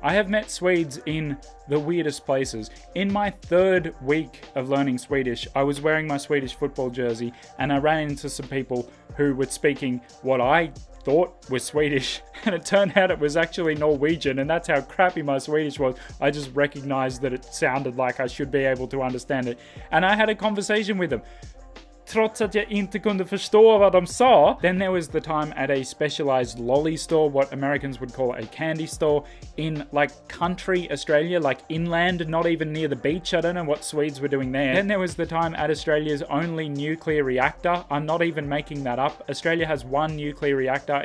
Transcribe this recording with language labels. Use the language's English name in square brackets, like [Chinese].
[English] I have met Swedes in the weirdest places. In my 3rd week of learning Swedish, I was wearing my Swedish football jersey and I ran into some people who were speaking what I thought were Swedish, and it turned out it was actually Norwegian, and that's how crappy my Swedish was. I just recognized that it sounded like I should be able to understand it, and I had a conversation with them. [Swedish] Trots att jag inte kunde förstå vad de sa. [English] Then there was the time at a specialized lolly store, what Americans would call a candy store, in like country Australia, like inland, not even near the beach. I don't know what Swedes were doing there. Then there was the time at Australia's only nuclear reactor. I'm not even making that up. Australia has one nuclear reactor.